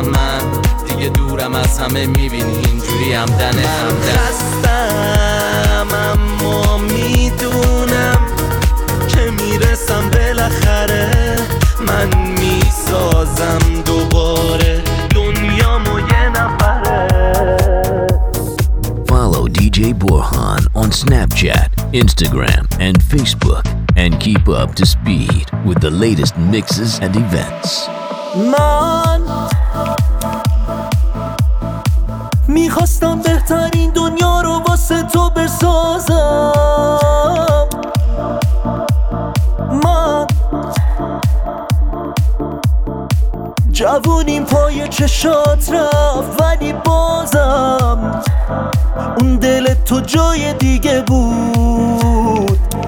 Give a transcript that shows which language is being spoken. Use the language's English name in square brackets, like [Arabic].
[Persian] من دیگه دورم از همه میبینی اینجوری همدنه همدن. من خستم اما میدونم که میرسم بالاخره. من میسازم دوباره دنیامو یه نفره. [English] Follow DJ Borhan on Snapchat, Instagram, and Facebook, and keep up to speed with the latest mixes and events. [Persian] من میخواستم بهترین دنیا رو واسه تو بسازم. من جوونیم پای چشات رفت ولی بازم اون دل تو جای دیگه بود.